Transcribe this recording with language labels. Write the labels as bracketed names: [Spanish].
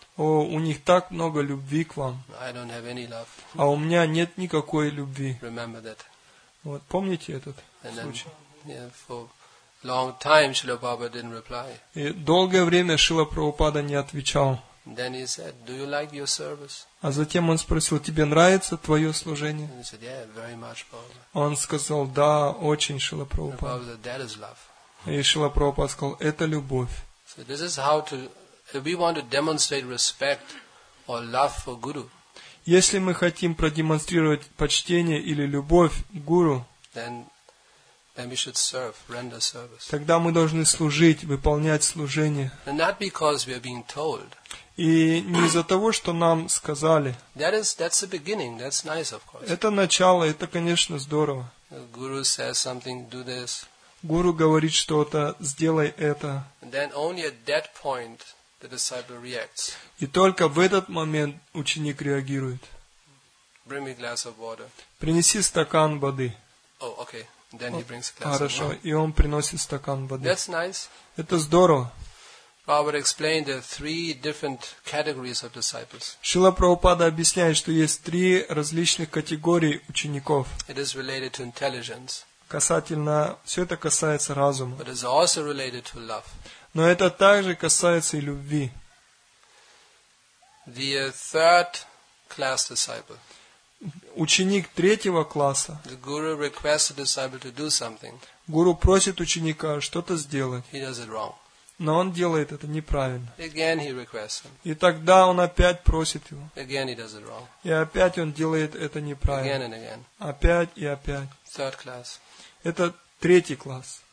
[Russian] О, у них так много любви к вам. [English] I don't have any love. [Russian] А у меня нет никакой любви. [English] Remember that. [Russian] Вот, помните этот [English] And [Russian] случай? [English] Then, yeah, for long time, Srila Prabhupada didn't reply. [Russian] И долгое время Шрила Прабхупада не отвечал. [English] Then he said, "Do you like your service?" [Russian] А затем он спросил, тебе нравится твое служение? [English] And he said, "Yeah, very much, Prabhupada." [Russian] Он сказал, да, очень, Шрила Прабхупада. [English] And Prabhupada said, "That is love." [Russian] И Шрила Прабхупада сказал, это любовь. [English] So this is how to if we want to demonstrate respect or love for guru. [Russian] Если мы хотим продемонстрировать почтение или любовь гуру, [English] then we should serve, render service. [Russian] Тогда мы должны служить, выполнять служение. [English] And not because we are being told. [Russian] И не из-за того, что нам сказали. [English] That's the beginning. That's nice, of course. [Russian] Это начало, это, конечно, здорово. [English] Guru says something, do this. [Russian] Гуру говорит что-то, сделай это. [English] Then only at that point the disciple reacts. [Russian] И только в этот момент ученик реагирует. [English] Bring me a glass of water. [Russian] Принеси стакан воды. [English] Oh, okay. Then he brings a glass [Russian] Хорошо, [English] of water. [Russian] И он приносит стакан воды. [English] That's nice. [Russian] Это здорово. [English] Prabhupada explained the three different categories of disciples. [Russian] Шрила Прабхупада объясняет, что есть три различных категории учеников. [English] It is related to intelligence. [Russian] Касательно, все это касается разума. [English] But it's also related to love. [Russian] Но это также касается и любви. [English] The third class disciple. [Russian] Ученик третьего класса. [English] The guru requests the disciple to do something. [Russian] Гуру просит ученика что-то сделать. [English] He does it wrong. [Russian] Но он делает это неправильно. [English] Again he requests him. [Russian] И тогда он опять просит его. [English] Again he does it wrong. [Russian] И опять он делает это неправильно. [English] Again and again. [Russian] Опять и опять. [English] Third class. [Russian] Это третий класс.